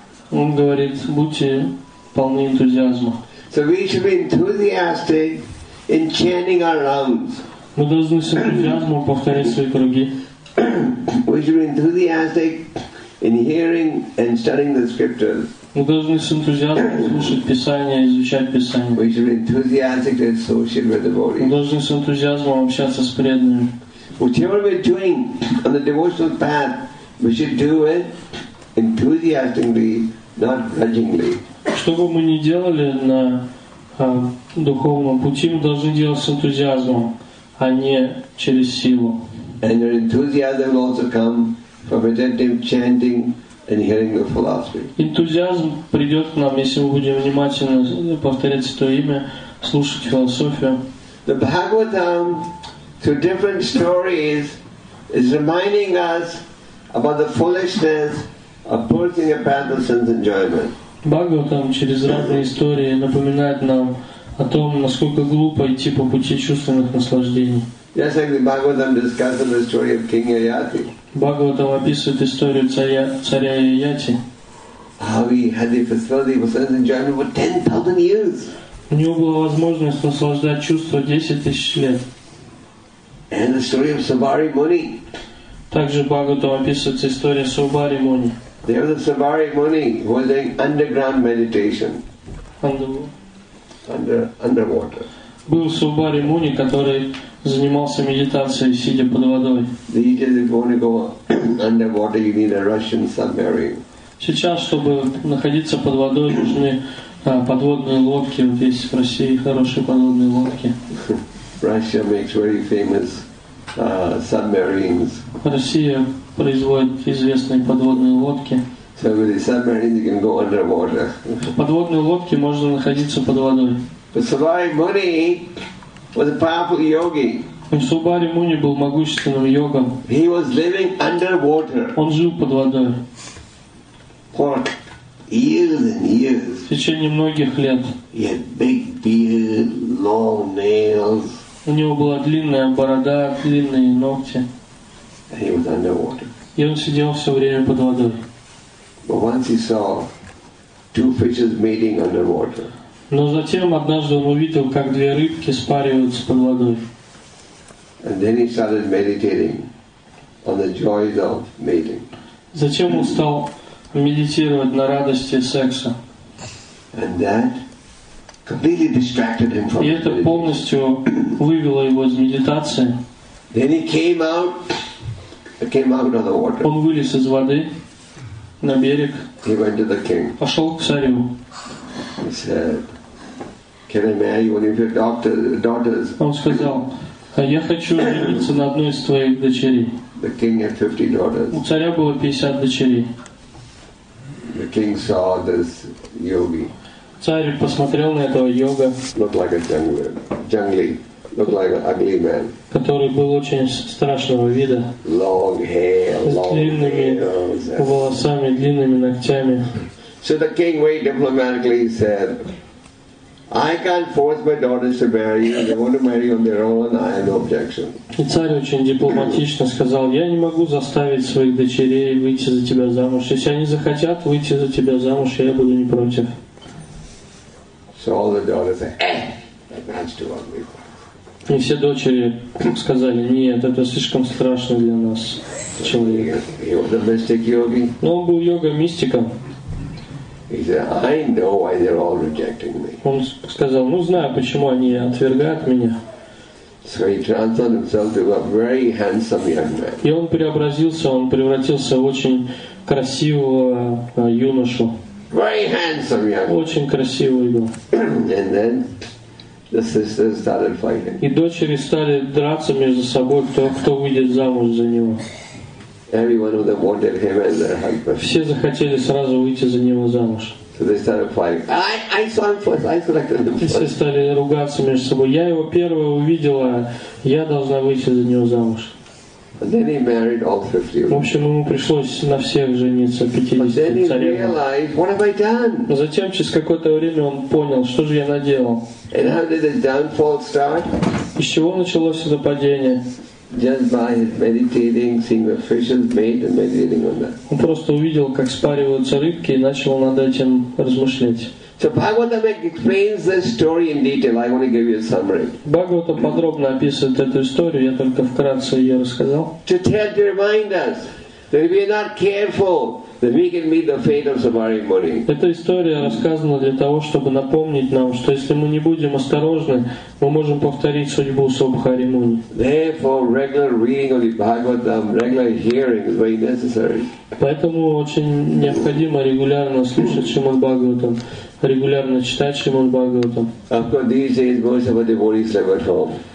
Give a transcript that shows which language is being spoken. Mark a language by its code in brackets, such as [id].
[ru] Он говорит, будьте полны энтузиазма. [en] So we should be enthusiastic in chanting our rounds. [ru] Мы должны с энтузиазмом повторять свои круги. [en] We should be enthusiastic in hearing and studying the scriptures. [ru] Мы должны с энтузиазмом слушать Писание, изучать Писание. [en] We should be enthusiastic to associate with devotees. [ru] Мы должны с энтузиазмом общаться с преданными. [en] Whatever we're doing on the devotional path, we should do it enthusiastically, not grudgingly. [ru] Что бы мы ни делали на духовном пути, мы должны делать с энтузиазмом, а не через силу. [en] And your enthusiasm will also come from attentive chanting and hearing the philosophy. [ru] Энтузиазм придет к нам, если мы будем внимательно повторять Святое Имя, слушать философию. [en] The Bhagavatam, through different stories, is reminding us about the foolishness of pursuing a path of sense enjoyment. [ru] Бхагаватам через разные истории напоминает нам о том, насколько глупо идти по пути чувственных наслаждений. [en] Just like the Bhagavatam discusses the story of King Yayati. [ru] Бхагаватам описывает историю царя Яяти. [en] How he had the facility for sense enjoyment for 10,000 years. [ru] У него была возможность наслаждать чувства 10,000 лет. [en] And the story of Subhari Muni. [ru] Также Бхагаватам описывает историю Субари Муни. [en] There was a Subhari Muni who was doing underground meditation. Underwater. [ru] Был Субари Муни, который занимался медитацией, сидя под водой. [en] The idea is if you want to go underwater, you need a Russian submarine. [ru] Сейчас, чтобы находиться под водой, нужны подводные лодки. Вот есть в России хорошие подводные лодки. [en] Russia makes very famous submarines. [ru] Россия производит известные подводные лодки. [en] So with the submarine you can go underwater. [ru] Подводные лодки можно находиться под водой. [en] Subhari Muni was a powerful yogi. [ru] Subhari Muni был могущественным йогом. [en] He was living underwater. [ru] Он жил под водой. [en] For years and years. [ru] В течение многих лет. [en] He had big beard, long nails. [ru] У него была длинная борода, длинные ногти. [en] And he was underwater. [ru] И он сидел все время под водой. [en] But once he saw two fishes mating underwater. [ru] Но затем однажды он увидел, как две рыбки спариваются под водой. [en] And then he started meditating on the joys of mating. [ru] Затем он стал медитировать на радости секса. [en] And that completely distracted him from. [ru] И это полностью вывело его из медитации. [en] Then he came out of the water. [ru] Он вылез из воды на берег. [en] He went to the king. [ru] Пошел к царю. [en] He said, "Can I marry one of your daughters?" [ru] Он сказал, я хочу жениться на одной из твоих дочерей. [en] The king had 50 daughters. [ru] У царя было 50 дочерей. [en] The king saw this yogi. [ru] Царь посмотрел на этого йога. [en] Looked like a jungler. Looked like an ugly man. [ru] Который был очень страшного вида. [en] Long hair, long [ru] nails. С длинными волосами, длинными ногтями. [en] So the king very diplomatically said, I can't force my daughters to marry you. They want to marry on their own. I have no objection. [ru] И царь очень дипломатично сказал, я не могу заставить своих дочерей выйти за тебя замуж. Если они захотят выйти за тебя замуж, я буду не против. [en] So all the daughters say, that man's too ugly. [ru] И все дочери сказали, нет, это слишком страшно для нас, человек. [en] He was a mystic yogi. [ru] Но он был йога-мистиком. [en] He said, I know why they're all rejecting me. [ru] Он сказал, ну знаю, почему они отвергают меня. [en] So he transformed himself to a very handsome young man. [ru] И он преобразился, он превратился в очень красивого юношу. [en] Very handsome young man. [ru] Очень красивый был. [en] And then the sisters started fighting. [ru] И дочери стали драться между собой, кто выйдет замуж за него. [en] Every one of them wanted him as their husband. [ru] Все захотели сразу выйти за него замуж. [en] So they started fighting. I saw him first. I selected him first. [ru] Все стали ругаться между собой. Я его первого увидела. Я должна выйти за него замуж. [en] And then he married all 50. [ru] В общем, ему пришлось на всех жениться 50 царей. [en] But then he realized, what have I done? [ru] Но затем через какое-то время он понял, что же я наделал. [en] And how did the downfall start? [ru] Из чего началось это падение? [en] Just by meditating, seeing the fishes mate and meditating on that. [ru] Он просто увидел, как спариваются рыбки, и начал над этим размышлять. [en] So Bhagavata explains this story in detail. I want to give you a summary. [ru] Бхагавата подробно описывает эту историю. Я только вкратце ее рассказал. [en] To remind us that if we are not careful, that we can meet the fate of Subhari Muni. [ru] Эта история рассказана для того, чтобы напомнить нам, что если мы не будем осторожны, мы можем повторить судьбу Субхари Муни. [en] Therefore, regular reading of the Bhagavatam, regular hearing is very necessary. [ru] Поэтому очень необходимо регулярно слушать Шримад Бхагаватам, регулярно читать Шримад Бхагаватам. [en] Of course, these days most of the devotees live at home.